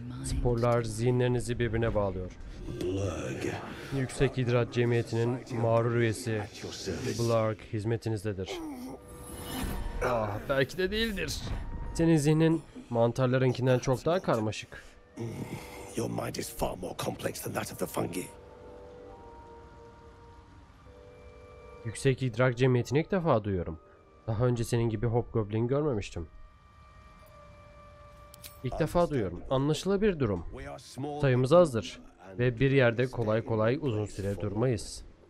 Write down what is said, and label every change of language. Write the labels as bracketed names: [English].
[Turkish] Sporlar zihinlerinizi birbirine bağlıyor. Yüksek idrar cemiyetinin mağrur üyesi Blurk hizmetinizdedir. Ah, belki de değildir. Senin zihnin mantarlarınkinden çok daha karmaşık. [English] Your mind is far more complex than that of the fungi. [Turkish] Yüksek idrak cemiyetini ilk defa duyuyorum. Daha önce senin gibi Hobgoblin görmemiştim. İlk defa duyuyorum. Anlaşılabilir durum. Sayımız azdır ve bir yerde kolay kolay uzun süre durmayız.